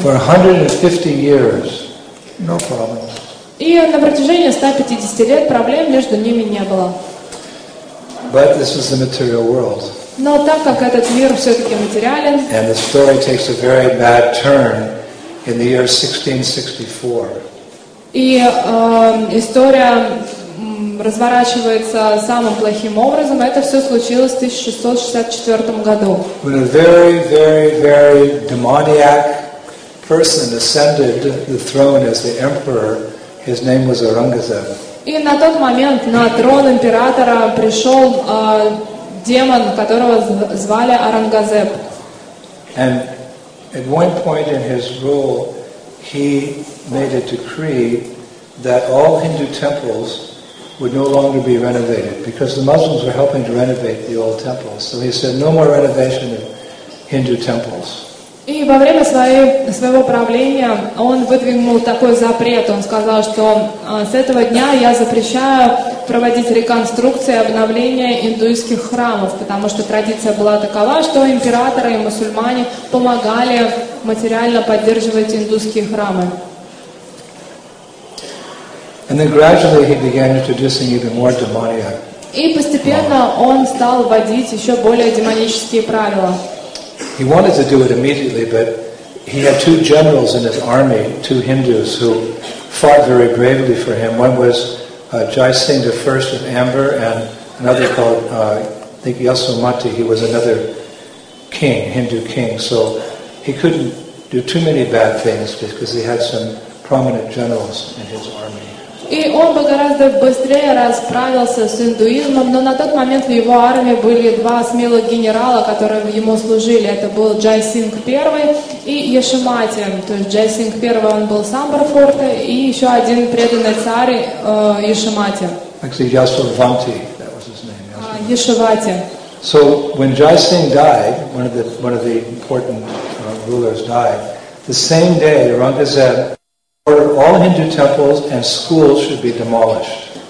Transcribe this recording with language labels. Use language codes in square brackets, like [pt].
[en] For 150 years, no problem. [ru] И на протяжении 150 лет проблем между ними не было. [en] But this is the material world. [ru] Но так как этот мир все-таки материален, [en] and the story takes a very bad turn in the year 1664. [ru] И история разворачивается самым плохим образом. Это все случилось в 1664 году. [en] When a very, very, very demoniac person ascended the throne as the emperor, his name was Aurangzeb. [ru] И на тот момент на трон императора пришел демон, которого звали Арангазеп. [en] And at one point in his rule, he made a decree that all Hindu temples would no longer be renovated because the Muslims were helping to renovate the old temples. So he said, no more renovation of Hindu temples. [ru] И во время своего правления он выдвинул такой запрет. Он сказал, что с этого дня я запрещаю проводить реконструкции и обновления индуистских храмов, потому что традиция была такова, что императоры и мусульмане помогали материально поддерживать индуистские храмы. [en] And then gradually he began introducing even more demonia. [ru] И постепенно он стал вводить еще более демонические правила. [en] He wanted to do it immediately, but he had two generals in his army, two Hindus, who fought very bravely for him. One was Jai Singh I of Amber, and another called, I think, Yasomati. He was another king, Hindu king. So he couldn't do too many bad things because he had some prominent generals in his army. [ru] И он бы гораздо быстрее расправился с индуизмом, но на тот момент в его армии были два смелых генерала, которые ему служили. Это был Джай Синг I и Яшимати. То есть Джай Синг I, он был сам Барфорта, и еще один преданный царь Яшимати. [en] Actually, Ясовати, that was his name. [ru] Яшивати. [en] So when Jai Singh died, one of the important rulers died, the same day Aurangzeb ordered all Hindu temples and schools should be demolished.